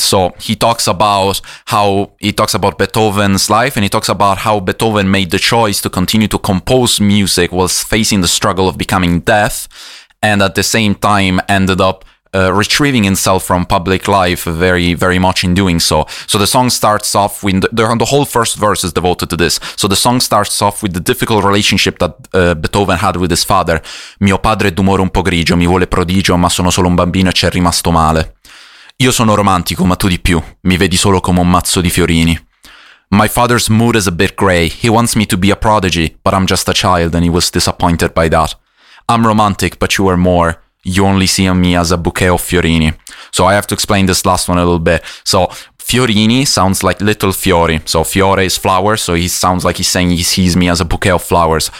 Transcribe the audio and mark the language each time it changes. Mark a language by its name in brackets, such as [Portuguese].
[English] So he talks about Beethoven's life, and he talks about how Beethoven made the choice to continue to compose music whilst facing the struggle of becoming deaf, and at the same time ended up retrieving himself from public life very, very much in doing so. So the song starts off with the whole first verse is devoted to this. So the song starts off with the difficult relationship that Beethoven had with his father. [Italian] Mio padre d'umore un po' grigio, mi vuole prodigio, ma sono solo un bambino e c'è rimasto male. Io sono romantico, ma tu di più. Mi vedi solo come un mazzo di fiorini. [English] My father's mood is a bit grey. He wants me to be a prodigy, but I'm just a child and he was disappointed by that. I'm romantic, but you are more. You only see me as a bouquet of fiorini. So I have to explain this last one a little bit. So fiorini sounds like little fiori. So fiore is flower. So he sounds like he's saying he sees me as a bouquet of flowers.